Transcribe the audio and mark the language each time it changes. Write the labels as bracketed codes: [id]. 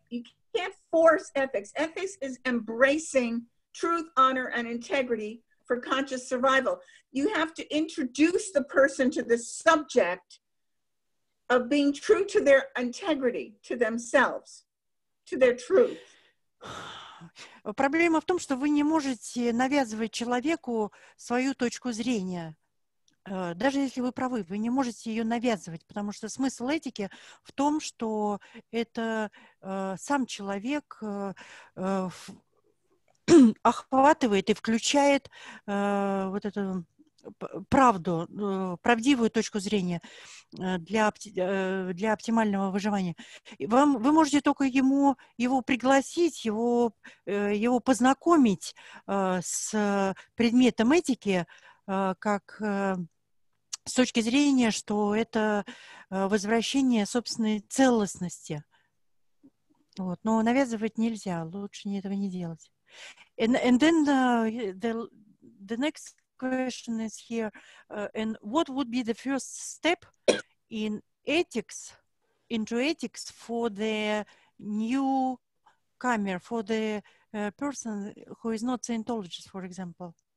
[en] You can't force ethics. Ethics is embracing truth, honor, and integrity for conscious survival. You have to introduce the person to the subject of being true to their integrity, to themselves, to their truth. [ru] Проблема в том, что вы не можете навязывать человеку свою точку зрения. Даже если вы правы, вы не можете ее навязывать, потому что смысл этики в том, что это сам человек охватывает и включает вот эту правду, правдивую точку зрения для оптимального выживания. Вам, вы можете только ему, его пригласить, его, его познакомить с предметом этики, как с точки зрения, что это возвращение собственной целостности. Вот. Но навязывать нельзя, лучше этого не делать. [en] And then the next question is here, and what would be the first step in ethics, into ethics for the newcomer, for the person who is not Scientologist, for example?